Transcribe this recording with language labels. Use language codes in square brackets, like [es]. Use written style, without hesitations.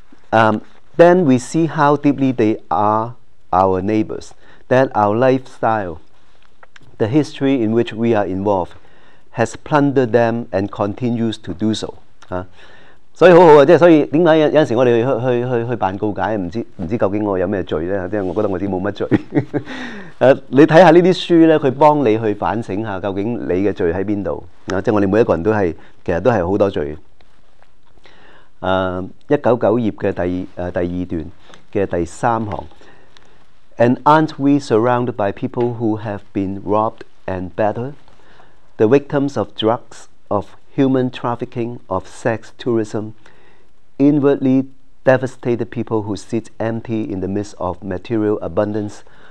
[en] Then we see how deeply they are our neighbors, that our lifestyle, the history in which we are involved, has plundered them and continues to do so、 [zh] 所以很好，所以為什麼有時候我們 去辦告解，不知究竟我有什麼罪呢？即我覺得我自己沒什麼罪你看看這些書，它幫你去反省一下究竟你的罪在哪裡，即我們每一個人都是其實都是很多罪。 199頁的第二段的第三行， [en] And aren't we surrounded by people who have been robbed and battered? The victims of drugs, ofhuman trafficking, of sex tourism, inwardly devastated people who sit empty in the midst of material abundance.